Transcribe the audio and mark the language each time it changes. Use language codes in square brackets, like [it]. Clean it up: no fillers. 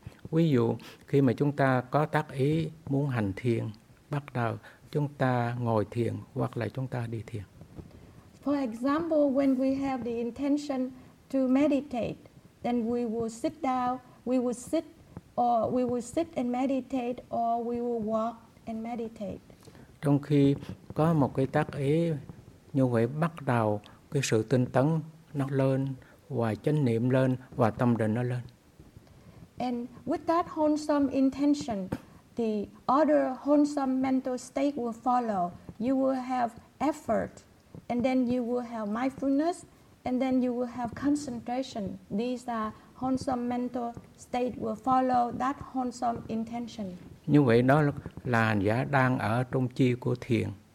[vi] Ví dụ khi mà chúng ta có tác ý muốn hành thiền, bắt đầu chúng ta ngồi thiền hoặc là chúng ta đi thiền. [en] For example, when we have the intention to meditate, then we will sit down, we will sit, or we will sit and meditate, or we will walk and meditate. [vi] Trong khi có một cái tác ý như vậy bắt đầu cái sự tinh tấn nó lên và chánh niệm lên và tâm định nó lên. [en] And with that wholesome intention, the other wholesome mental state will follow. You will have effort, and then you will have mindfulness, and then you will have concentration. These are wholesome mental state will follow that wholesome intention. [vi] Như vậy đó là hành giả đang ở trong chi của thiền.